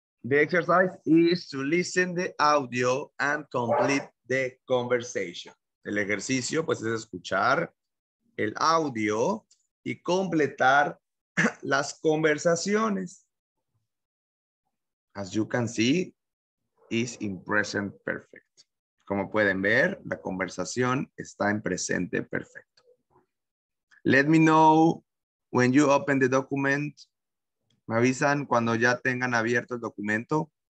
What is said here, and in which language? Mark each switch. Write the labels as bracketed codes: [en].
[en] The exercise is to listen the audio and complete the conversation. [es] El ejercicio, pues, es escuchar el audio y completar las conversaciones. [en] As you can see, is in present perfect. [es] Como pueden ver, la conversación está en presente perfecto. [en] Let me know when you open the document. Me avisan cuando ya tengan abierto el documento.